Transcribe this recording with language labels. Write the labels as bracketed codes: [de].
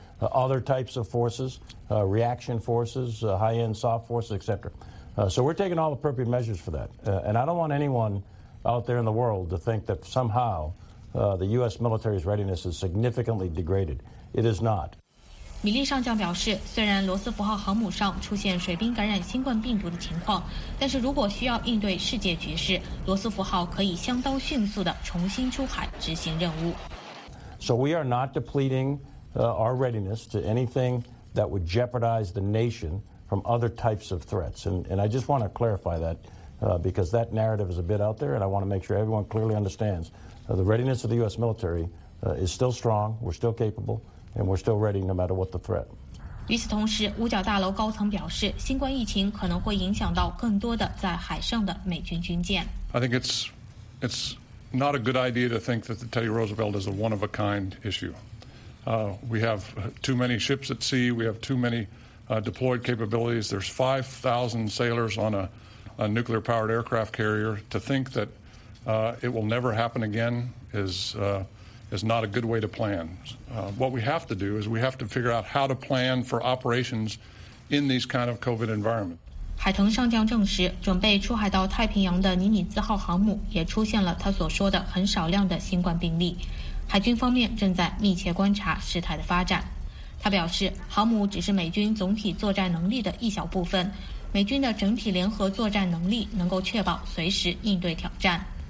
[en] other types of forces, reaction forces, high-end soft forces, etc. So we're taking all appropriate measures for that. And I don't want anyone out there in the world to think that somehow the U.S. military's readiness is significantly degraded. It is not. [zh] 米利上将表示，虽然罗斯福号航母上出现水兵感染新冠病毒的情况，但是如果需要应对世界局势，罗斯福号可以相当迅速地重新出海执行任务。 [en] So we are not depleting our readiness to anything that would jeopardize the nation from other types of threats. And I just want to clarify that because that narrative is a bit out there, and I want to make sure everyone clearly understands the readiness of the U.S. military is still strong. We're still capable. And we're still ready, no matter what the threat. [zh] 与此同时，五角大楼高层表示，新冠疫情可能会影响到更多的在海上的美军军舰。 [en] I think it's not a good idea to think that the Teddy Roosevelt is a one of a kind issue. We have too many ships at sea. We have too many deployed capabilities. There's 5,000 sailors on a nuclear powered aircraft carrier. To think that it will never happen again is not a good way to plan. What we have to do is we have to figure out how to plan for operations in these kind of COVID environment. [zh] 海城上将证实，准备出海到太平洋的尼米兹号航母也出现了他所说的很少量的新冠病例。海军方面正在密切观察事态的发展。他表示，航母只是美军总体作战能力的一小部分，美军的整体联合作战能力能够确保随时应对挑战。